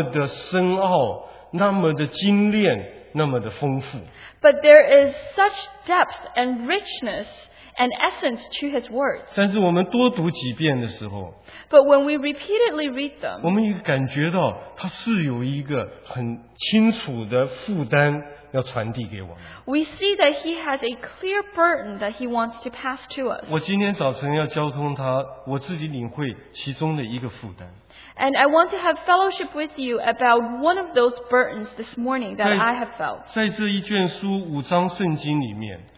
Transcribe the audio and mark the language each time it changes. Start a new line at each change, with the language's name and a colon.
Chinese: 但是他的话语里面又是那么的深奥，那么的精炼。
English: But there is such depth and richness and essence to his words.
Chinese: 但是我们多读几遍的时候,
English: But when we repeatedly read them,
Chinese: 我们也感觉到他是有一个很清楚的负担要传递给我们。
English: We see that he has a clear burden that he wants to pass to us.
Chinese: 我今天早晨要交通他, 我自己领会其中的一个负担。
English: And I want to have fellowship with you about one of those burdens this morning that I have felt.
Chinese: 在这一卷书五章圣经里面,